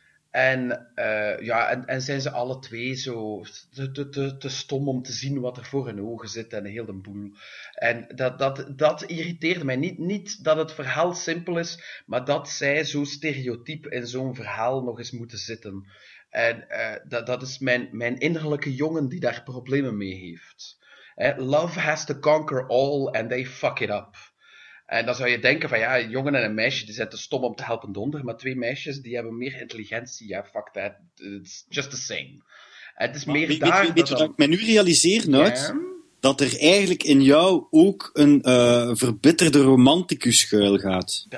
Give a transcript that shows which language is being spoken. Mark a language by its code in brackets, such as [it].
[nl] En zijn ze alle twee zo te stom om te zien wat er voor hun ogen zit en heel de boel. En dat irriteerde mij. Niet dat het verhaal simpel is, maar dat zij zo stereotyp in zo'n verhaal nog eens moeten zitten. En dat is mijn innerlijke jongen die daar problemen mee heeft. [en] Love has to conquer all and they fuck it up. [nl] En dan zou je denken van ja, een jongen en een meisje die zijn te stom om te helpen donder, maar twee meisjes die hebben meer intelligentie. [en] Ja, fuck that. It's just the same. [nl] Het is maar meer weet, daar. Weet je wat ik mij nu realiseer, Nout? Yeah. Dat er eigenlijk in jou ook een verbitterde romanticus schuil gaat.